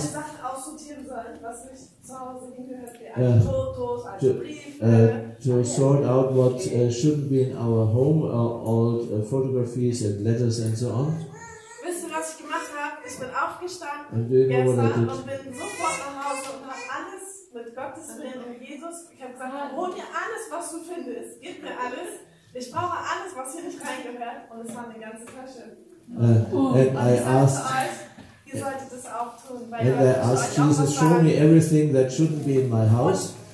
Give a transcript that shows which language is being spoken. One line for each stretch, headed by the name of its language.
German: Eine Sache aussortieren sollen, was nicht zu Hause hingehört, wie alte Fotos, alte Briefe.
English: To sort out what shouldn't be in our home, old photographies and letters and so on.
German: Wisst ihr, was ich gemacht habe? Ich bin aufgestanden gestern und bin sofort nach Hause und habe alles mit Gottes Willen und Jesus. Ich habe gesagt, hol dir alles, was du findest. Gib mir alles. Ich brauche alles, was hier nicht reingehört. Und es war eine ganze Tasche.
English: And I asked Jesus, show me everything that shouldn't be in my house.